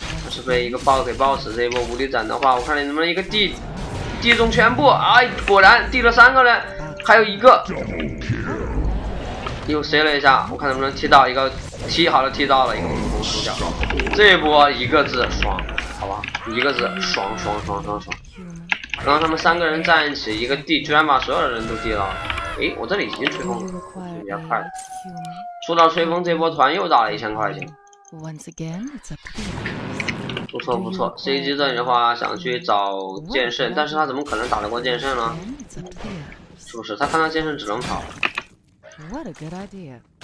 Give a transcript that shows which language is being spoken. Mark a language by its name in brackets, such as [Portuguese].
[Chinese] 是被一个爆给爆死，这一波无力斩的话，我看你能不能一个地地中全部，哎，果然地了三个人，还有一个又 C 了一下，我看能不能踢到一个踢，好了，踢到了一个普攻主角，这一波一个字爽，好吧，一个字爽爽爽爽爽，然后他们三个人站一起，一个地居然把所有的人都地了，哎，我这里已经吹风了，比较快，出到吹风这波团又打了1000块钱。 [English] Once again, it's up to the elves. [Chinese] 不错不错 ，CG 这里的话想去找剑圣，但是他怎么可能打得过剑圣呢？是不是他看到剑圣只能跑 ？ [English] What a good idea.